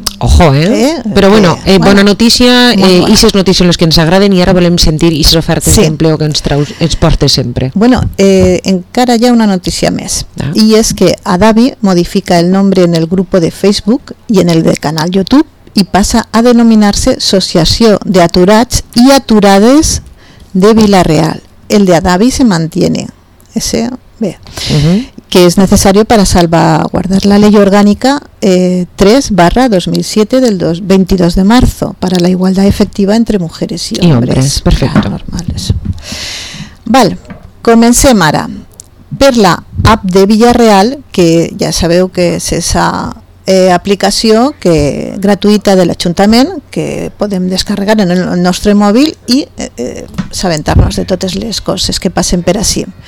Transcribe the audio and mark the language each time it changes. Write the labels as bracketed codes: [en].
[ca] ojo, però bueno, bona notícia, ixes notícies les que ens agraden, i ara volem sentir ixes ofertes, sí, d'empleo que ens traus, ens porta sempre. Bueno, encara hi ha una notícia més, i és que Adavi modifica el nombre en el grup de Facebook i en el de canal YouTube i passa a denominar-se Associació de Aturats i Aturades de Villarreal. [es] El de Adavi se mantiene, ese, bé, que es necesario para salvaguardar la ley orgánica 3/2007 del 22 de marzo para la igualdad efectiva entre mujeres y hombres. Perfecto. Normales. [ca] Vale, comencem ara per la app de Villarreal, que ja sabeu que és esa aplicació que gratuïta de l'Ajuntament, que podem descarregar en el nostre mòbil i assabentar-nos de totes les coses que passen per ací.